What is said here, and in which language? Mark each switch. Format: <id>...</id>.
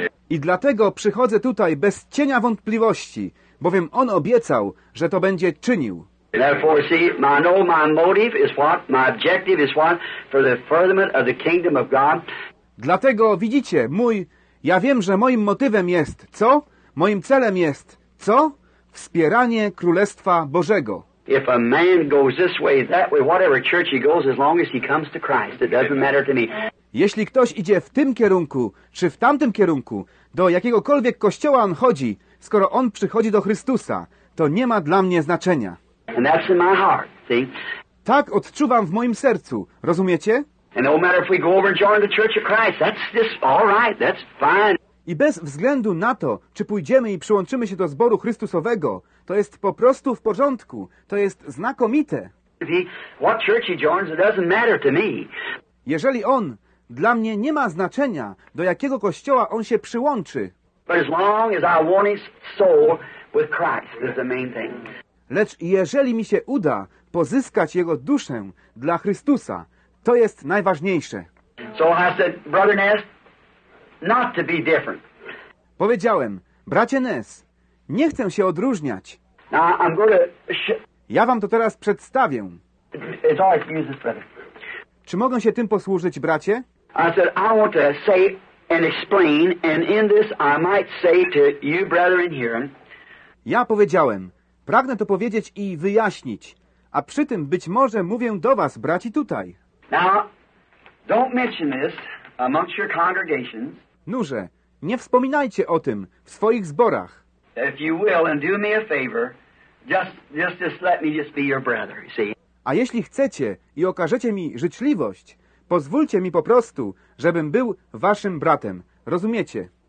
<pl>I dlatego przychodzę tutaj bez cienia wątpliwości, bowiem on obiecał, że to będzie czynił.</pl> <en>Therefore, see, I know my motive is what, my objective is what, for the furtherment of the kingdom of God.</en> <pl>Dlatego widzicie, ja wiem, że moim motywem jest, co? Moim celem jest, co? Wspieranie Królestwa Bożego.</pl> <en>If a man goes this way, that way, whatever church he goes, as long as he comes to Christ, it doesn't matter to me.</en> <pl>Jeśli ktoś idzie w tym kierunku, czy w tamtym kierunku, do jakiegokolwiek kościoła on chodzi, skoro on przychodzi do Chrystusa, to nie ma dla mnie znaczenia.</pl> <en>And that's in my heart, see?</en> <pl>Tak odczuwam w moim sercu, rozumiecie?</pl> <en>And no matter if we go over and join the Church of Christ, that's just all right, that's fine.</en> <pl>I bez względu na to, czy pójdziemy i przyłączymy się do zboru Chrystusowego, to jest po prostu w porządku. To jest znakomite.</pl> <en>What church he joins, it doesn't matter to me.</en> <pl>Jeżeli on, dla mnie nie ma znaczenia, do jakiego kościoła on się przyłączy.</pl> <en>But as long as I want his soul with Christ, is the main thing.</en> <pl>Lecz jeżeli mi się uda pozyskać jego duszę dla Chrystusa, to jest najważniejsze.</pl> <en>So I said, brother Ness, not to be different.</en> <pl>Powiedziałem, bracie Ness, nie chcę się odróżniać.</pl> <en>Now I'm gonna</en> <pl>ja wam to teraz przedstawię.</pl> <en>It's all right, use this, brother.</en> <pl>Czy mogę się tym posłużyć, bracie?</pl> <en>I said, I want to say and explain, and in this I might say to you, brethren, here.</en> <pl>Ja powiedziałem, pragnę to powiedzieć i wyjaśnić, a przy tym być może mówię do was, braci tutaj.</pl> <en>Now, don't mention this amongst your congregations.</en> <pl>Nurze, nie wspominajcie o tym w swoich zborach.</pl> <en>If you will and do me a favor, just let me just be your brother, you see.</en> <pl>A jeśli chcecie i okażecie mi życzliwość, pozwólcie mi po prostu, żebym był waszym bratem. Rozumiecie?</pl>